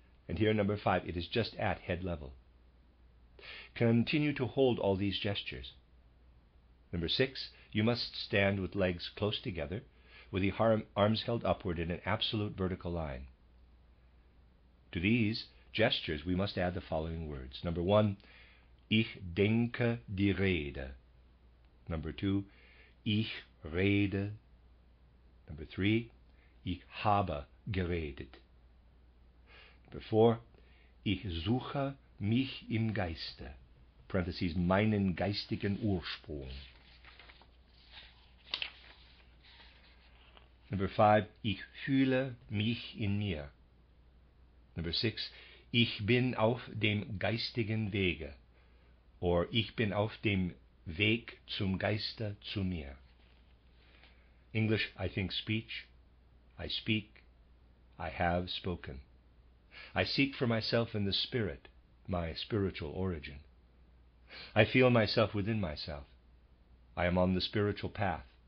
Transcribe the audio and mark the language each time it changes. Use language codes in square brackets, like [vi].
[en] And here, number five, it is just at head level. Continue to hold all these gestures. Number six, you must stand with legs close together, with the arms held upward in an absolute vertical line. To these gestures, we must add the following words. Number one, [de] ich denke die Rede. [en] Number two, [de] ich rede. [en] Number three, [de] ich habe geredet. [en] Number four, [de] ich suche mich im Geiste, parentheses, meinen geistigen Ursprung. [en] Number 5, [de] ich fühle mich in mir. [en] Number 6, [de] ich bin auf dem geistigen Wege, or ich bin auf dem Weg zum Geiste zu mir. [en] English, I think speech, I speak, I have spoken. I seek for myself in the spirit, my spiritual origin. I feel myself within myself. I am on the spiritual path.